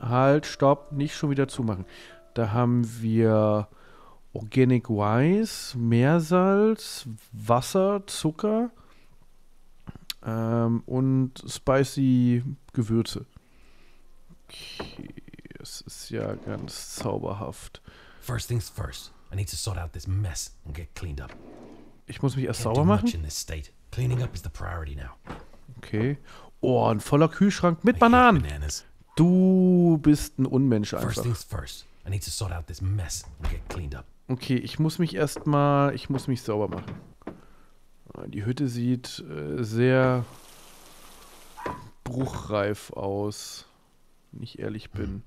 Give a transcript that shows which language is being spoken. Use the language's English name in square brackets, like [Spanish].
[German] Halt, stopp, nicht schon wieder zumachen. Da haben wir Organic Rice, Meersalz, Wasser, Zucker und spicy Gewürze. Okay, es ist ja ganz zauberhaft. [English] First things first, I need to sort out this mess and get cleaned up. [German] Ich muss mich erst sauber machen. [English] Cleaning up is the priority now. [German] Okay. Oh, ein voller Kühlschrank mit Bananen. Du bist ein Unmensch einfach. [English] First things first, I need to sort out this mess and get cleaned up. [German] Okay, ich muss mich erstmal, ich muss mich sauber machen. Die Hütte sieht sehr bruchreif aus, wenn ich ehrlich bin.